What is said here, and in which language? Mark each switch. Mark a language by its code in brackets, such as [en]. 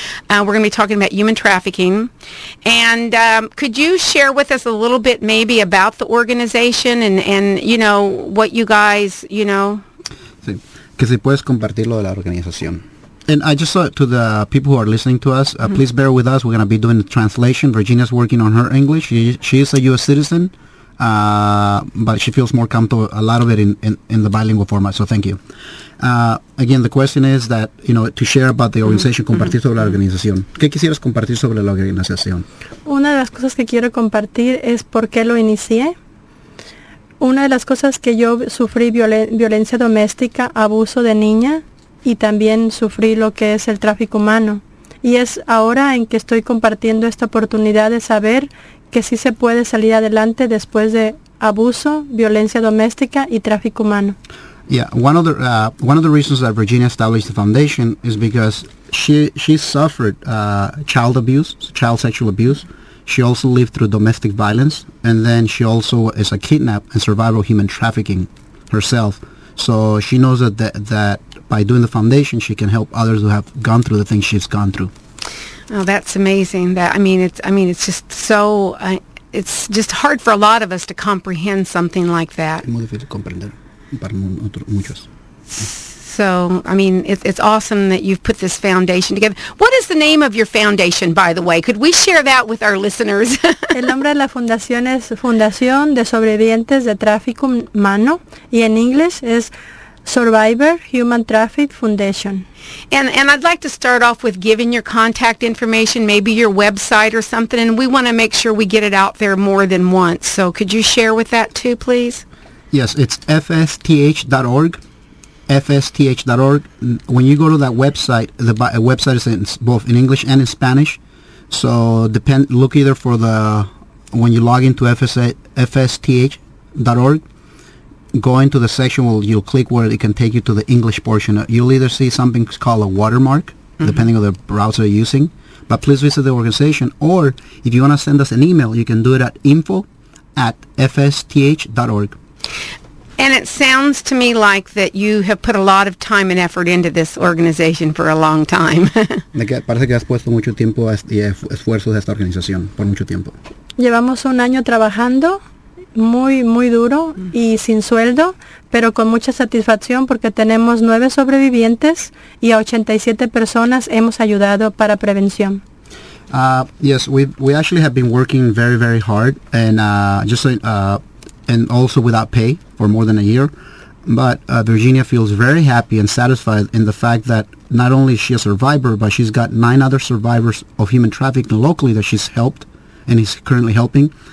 [en] We're going to be talking about human trafficking. And could you share with us a little bit maybe about the organization and you know, what you guys, you know? [es] Sí. Que si puedes compartir lo de la organización. [en] And I just thought to the people who are listening to us, please bear with us. We're going to be doing the translation. Virginia's working on her English. She is a U.S. citizen. But she feels more comfortable, a lot of it in the bilingual format, so thank you. Again, the question is that, you know, to share about the organization, [es] compartir sobre la organización. ¿Qué quisieras compartir sobre la organización? Una de las cosas que quiero compartir es por qué lo inicié. Una de las cosas que yo sufrí violencia doméstica, abuso de niña, y también sufrí lo que es el tráfico humano. Y es ahora en que estoy compartiendo esta oportunidad de saber que sí se puede salir adelante después de abuso, violencia doméstica y tráfico humano. [en] Yeah, one of the reasons that Virginia established the foundation is because she suffered child abuse, child sexual abuse. She also lived through domestic violence, and then she also is a kidnap and survivor of human trafficking herself. So she knows that by doing the foundation, she can help others who have gone through the things she's gone through. Oh, that's amazing. It's just hard for a lot of us to comprehend something like that. [es] Muy difícil comprender para muchos. [en] So, I mean, it's awesome that you've put this foundation together. What is the name of your foundation, by the way? Could we share that with our listeners? [es] El nombre de la fundación es Fundación de Sobrevivientes de Tráfico Humano, y en inglés es Survivor Human Traffic Foundation. [en] And I'd like to start off with giving your contact information, maybe your website or something, and we want to make sure we get it out there more than once. So could you share with that too, please? Yes, it's fsth.org. fsth.org. When you go to that website, the website is both in English and in Spanish. So look either for the, when you log into fsth.org, go into the section where you'll click where it can take you to the English portion. You'll either see something called a watermark, depending on the browser you're using. But please visit the organization. Or if you want to send us an email, you can do it at info@fsth.org. And it sounds to me like that you have put a lot of time and effort into this organization for a long time. [es] Parece que has puesto mucho tiempo y esfuerzo de esta organización, por mucho tiempo. Llevamos un año trabajando. Muy, muy duro y sin sueldo, pero con mucha satisfacción porque tenemos 9 sobrevivientes y a 87 personas hemos ayudado para prevención. [en] Yes, we actually have been working very, very hard and also without pay for more than a year. But Virginia feels very happy and satisfied in the fact that not only is she a survivor, but she's got 9 other survivors of human trafficking locally that she's helped and is currently helping.